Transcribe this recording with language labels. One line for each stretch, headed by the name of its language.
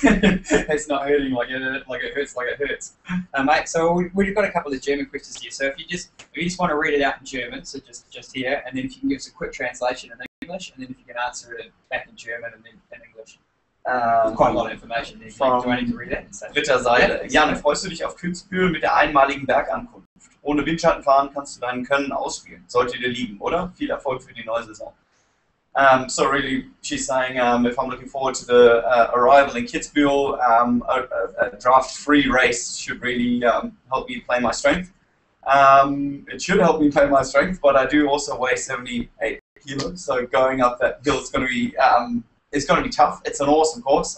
English: It's not hurting like it hurts. Mate, so we've got a couple of German questions here. So if you just want to read it out in German, so just here, and then if you can give us a quick translation in English, and then if you can answer it back in German and then in English. Quite a lot of information there. Do I need to read it?
German: Dritter Seite. Jan, freust du dich auf Kitzbühel mit der einmaligen Bergankunft? Ohne Windschatten fahren kannst du deinen Können ausspielen. Sollte dir lieben, oder? Viel Erfolg für die neue Saison.
English: So really, she's saying if I'm looking forward to the arrival in Kitzbühel, a draft-free race should really help me play my strength. It should help me play my strength, but I do also weigh 78 kilos, so going up that hill it's going to be tough. It's an awesome course.